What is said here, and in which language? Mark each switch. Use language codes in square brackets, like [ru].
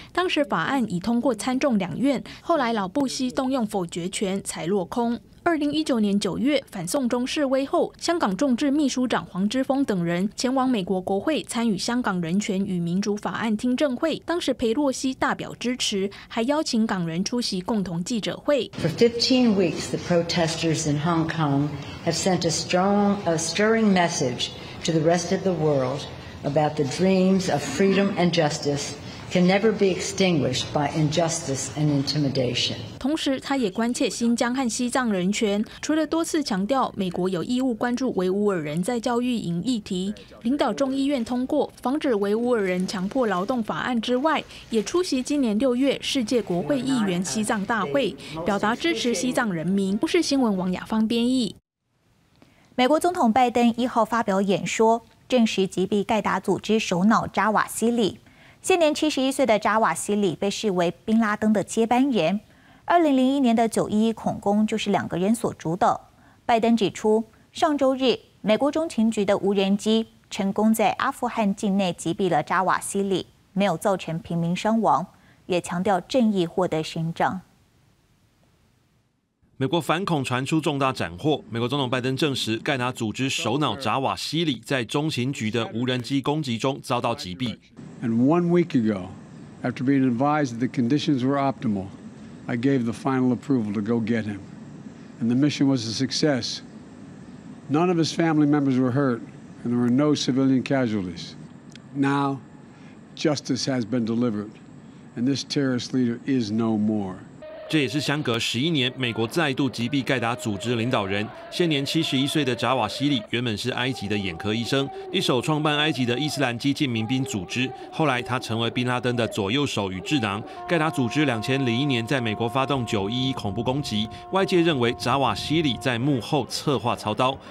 [zh] 当时法案已通过参众两院，后来老布希动用否决权才落空。 2019年9月反送中示威后，香港众志秘书长黄之锋等人前往美国国会参与香港人权与民主法案听证会，当时佩洛西大表支持，还邀请港人出席共同记者会。 [en] For 15 weeks, the protesters in Hong Kong have sent a stirring message to the rest of the world about the dreams of freedom and justice. Can never be extinguished by injustice and intimidation. [zh] 同时，他也关切新疆和西藏人权，除了多次强调美国有义务关注维吾尔人在教育营议题，领导众议院通过防止维吾尔人强迫劳动法案之外，也出席今年6月世界国会议员西藏大会，表达支持西藏人民。不是新闻王亚芳编译。美国总统拜登1号发表演说，证实击毙盖达组织首脑扎瓦希里。现年71岁的扎瓦希里被视为宾拉登的接班人。 2001年的911恐攻就是两个人所主导。拜登指出，上周日美国中情局的无人机成功在阿富汗境内击毙了扎瓦希里，没有造成平民伤亡，也强调正义获得伸张。美国反恐传出重大斩获，美国总统拜登证实盖达组织首脑扎瓦希里在中情局的无人机攻击中遭到击毙。 [en] And 1 week ago, after being advised that the conditions were optimal, I gave the final approval to go get him. And the mission was a success. None of his family members were hurt, and there were no civilian casualties. Now, justice has been delivered, and this terrorist leader is no more. [zh] 这也是相隔11年，美国再度击毙盖达组织领导人。现年71岁的扎瓦希里原本是埃及的眼科医生，一手创办埃及的伊斯兰激进民兵组织。后来他成为宾拉登的左右手与智囊。盖达组织2001年在美国发动911恐怖攻击，外界认为扎瓦希里在幕后策划操刀。